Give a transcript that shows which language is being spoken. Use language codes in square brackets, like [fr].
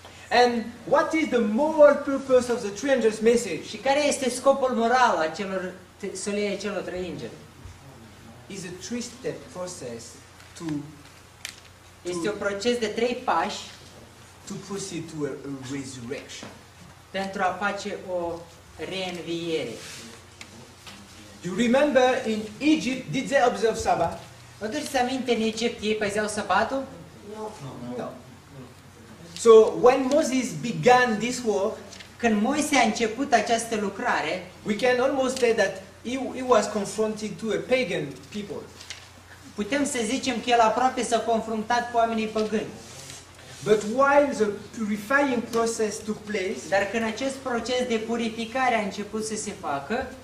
[en] And what is the moral purpose of the three angels' message? [ro] Și care este scopul moral a celor solei celor trei îngeri? [en] Is a three-step process to. [ro] Este un proces de trei pași. [en] To proceed to a resurrection. [ro] Pentru a face o reînviere. [en] You remember in Egypt did they observe Sabbath? [ro] Vă aduceți aminte în Egipt ei păzeau sabatul? [en] No. So when Moses began this work, [ro] când Moise a început această lucrare, [en] we can almost say that he was confronted to a pagan people. [ro] Putem să zicem că el aproape s-a confruntat cu oamenii păgâni. [en] But while the purifying process took place, [ro] dar când acest proces de purificare a început să se facă,